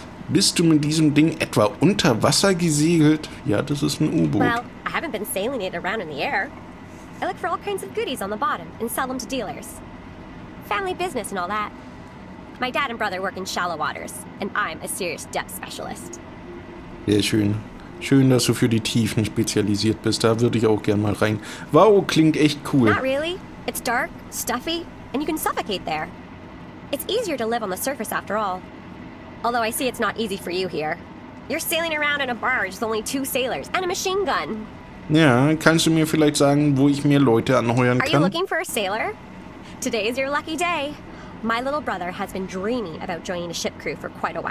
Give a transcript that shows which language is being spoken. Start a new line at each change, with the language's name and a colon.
German: Bist du mit diesem Ding etwa unter Wasser gesegelt? Ja, das ist ein U-Boot.
English: Well, I haven't been sailing it around in the air. I look for all kinds of goodies on the bottom and sell them to dealers. Family business and all that. My dad and brother work in shallow waters and I'm a serious depth specialist.
German: Sehr schön. Schön, dass du für die Tiefen spezialisiert bist. Da würde ich auch gern mal rein. Wow, klingt echt cool.
English: Not really. It's dark, stuffy, and you can suffocate there. It's easier to live on the surface after all. Although I see it's not easy for you here. You're sailing around in a barge with only two sailors and a machine gun.
German: Ja, kannst du mir vielleicht sagen, wo ich mir Leute anheuern kann?
English: Are you looking for a sailor? Today is your lucky day. My little brother has been dreaming about joining a ship crew for quite a while.